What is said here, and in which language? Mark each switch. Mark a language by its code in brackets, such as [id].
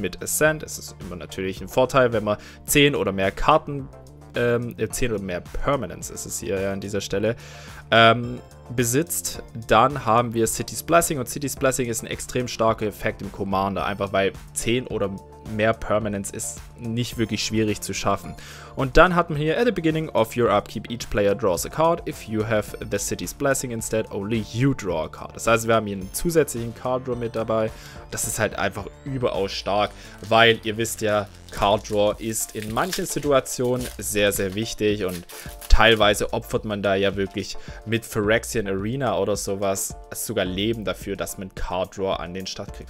[de] Mit Ascent ist es immer natürlich ein Vorteil, wenn man 10 oder mehr Karten, 10 oder mehr Permanents ist es hier an dieser Stelle, besitzt. Dann haben wir City's Blessing und City's Blessing ist ein extrem starker Effekt im Commander. Einfach weil 10 oder mehr Permanents ist nicht wirklich schwierig zu schaffen. Und dann hat man hier, [en] at the beginning of your upkeep, each player draws a card. If you have the City's Blessing instead, only you draw a card. [de] Das heißt, wir haben hier einen zusätzlichen Card Draw mit dabei. Das ist halt einfach überaus stark, weil ihr wisst ja, Card Draw ist in manchen Situationen sehr, sehr wichtig und teilweise opfert man da ja wirklich mit Phyrexian Arena oder sowas sogar Leben dafür, dass man Card Draw an den Start kriegt.